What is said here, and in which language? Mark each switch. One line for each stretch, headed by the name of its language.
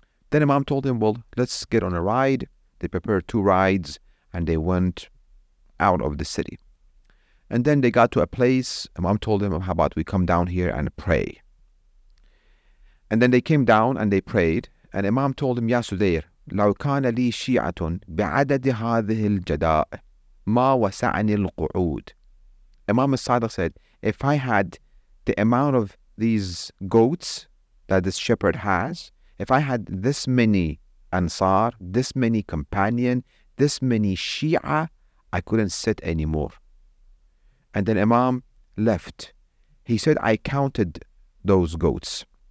English: Then Imam told him, "Well, let's get on a ride." They prepared two rides and they went out of the city. And then they got to a place. Imam told him, "How about we come down here and pray?" And then they came down and they prayed. And Imam told him, "Ya Sudayr,
Arabic: لو كان لي شيعة بعدد هذه الجداء ما وسعني القعود."
English: Imam al-Sadiq said, "If I had the amount of these goats that this shepherd has, if I had this many Ansar, this many companion, this many Shia, I couldn't sit anymore." And then Imam left. He said, "I counted those goats.